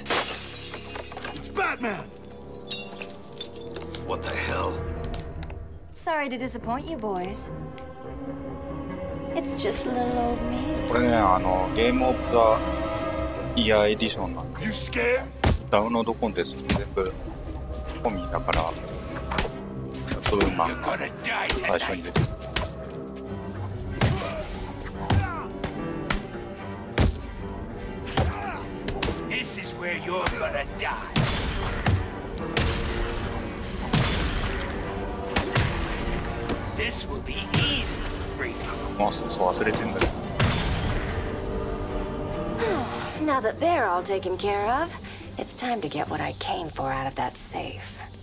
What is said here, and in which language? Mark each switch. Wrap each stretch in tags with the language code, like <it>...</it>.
<en>It's Batman! What the hell? Sorry to disappoint you boys. It's just little old me.</en> <ja>これね、Game of the Year Edition なんで。</ja> <en>You scared?</en> <ja>ダウンロードコンテンツ全部込みだから、ブーマンが最初に出てくる。まあ、そう忘れてんだけど。</ja> <en>Now that they're all taken care of. It's time to get what I came for out of that safe.</en>